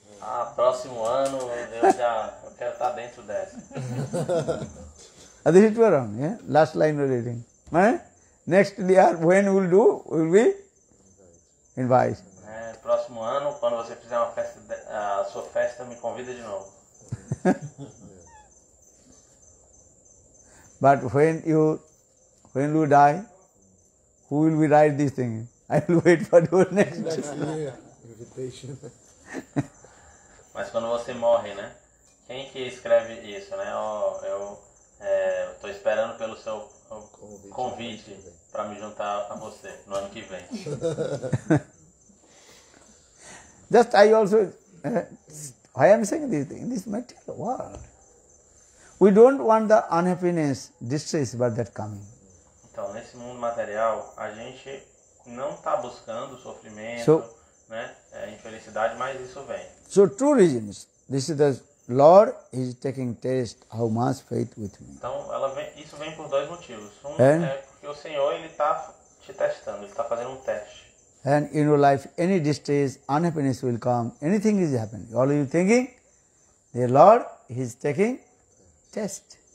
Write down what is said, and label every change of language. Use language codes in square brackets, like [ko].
[pt] Ah, próximo ano eu quero estar dentro dessa. [en] This is wrong, yeah? Last line of reading. Next year, when we'll do, we'll be invited. [pt] Próximo ano, quando você fizer uma festa, a sua festa, me convida de novo. [en] But when you die, who will be write this thing? I will wait for your next invitation. [pt] Mas quando você morre, né? Quem que escreve isso, né? Oh, eu tô esperando pelo seu convite para me juntar a você no ano que vem. [en] Just I also, I am saying this in this material world. We don't want the unhappiness, distress about that coming. [pt] Então, nesse mundo material, a gente não está buscando sofrimento, so, né? Infelicidade, mas isso vem. [en] So two reasons. This is the Lord is taking test how much faith with me. [pt] Então, isso vem por dois motivos. É porque o Senhor ele está te testando, ele está fazendo teste. [en] And in your life, any distress, unhappiness will come. Anything is happening. All you thinking, the Lord is taking test.